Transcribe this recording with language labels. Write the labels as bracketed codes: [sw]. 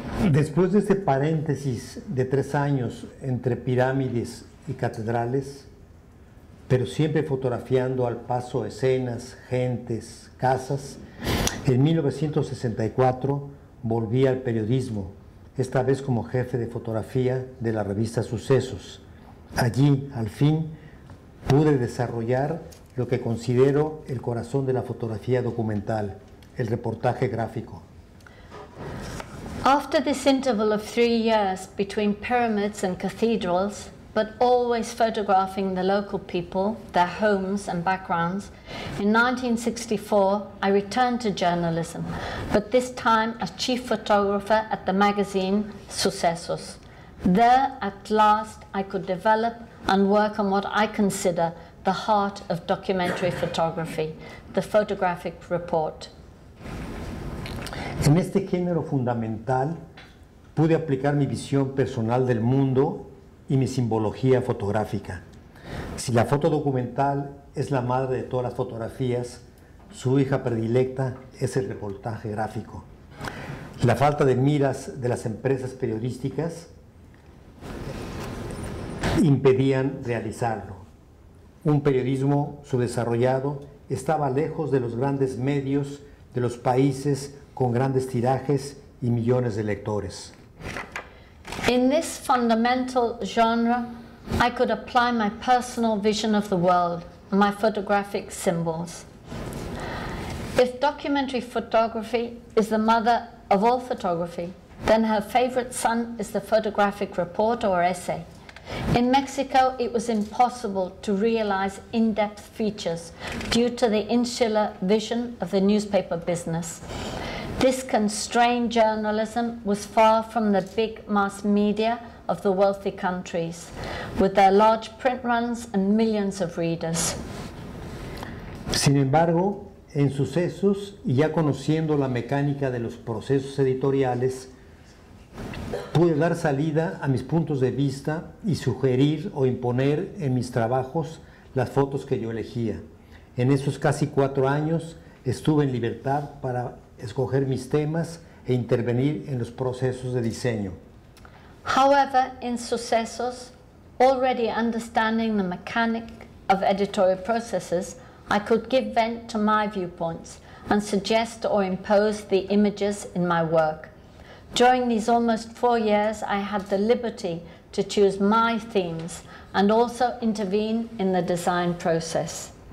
[es] Después de este paréntesis de tres años entre pirámides y catedrales, pero siempre fotografiando al paso escenas, gentes, casas, en 1964 volví al periodismo, esta vez como jefe de fotografía de la revista Sucesos. Allí, al fin, pude desarrollar lo que considero el corazón de la fotografía documental, el reportaje gráfico. [en] After this interval of 3 years between pyramids and cathedrals, but always photographing the local people, their homes and backgrounds, in 1964 I returned to journalism, but this time as chief photographer at the magazine Sucesos. There, at last, I could develop and work on what I consider the heart of documentary photography, the photographic report. [es] En este género fundamental, pude aplicar mi visión personal del mundo y mi simbología fotográfica. Si la foto documental es la madre de todas las fotografías, su hija predilecta es el reportaje gráfico. La falta de miras de las empresas periodísticas impedían realizarlo. Un periodismo subdesarrollado estaba lejos de los grandes medios de los países con grandes tirajes y millones de lectores. [en] In this fundamental genre, I could apply my personal vision of the world, my photographic symbols. If documentary photography is the mother of all photography, Then her favorite son is the photographic report or essay. In Mexico, it was impossible to realize in-depth features due to the insular vision of the newspaper business. This constrained journalism was far from the big mass media of the wealthy countries, with their large print runs and millions of readers. [es] Sin embargo, en sucesos y ya conociendo la mecánica de los procesos editoriales, pude dar salida a mis puntos de vista y sugerir o imponer en mis trabajos las fotos que yo elegía. En esos casi 4 años estuve en libertad para escoger mis temas e intervenir en los procesos de diseño. [en] However, in sucesos, already understanding the mechanic of editorial processes, I could give vent to my viewpoints and suggest or impose the images in my work. During these almost 4 years, I had the liberty to choose my themes and also intervene in the design process.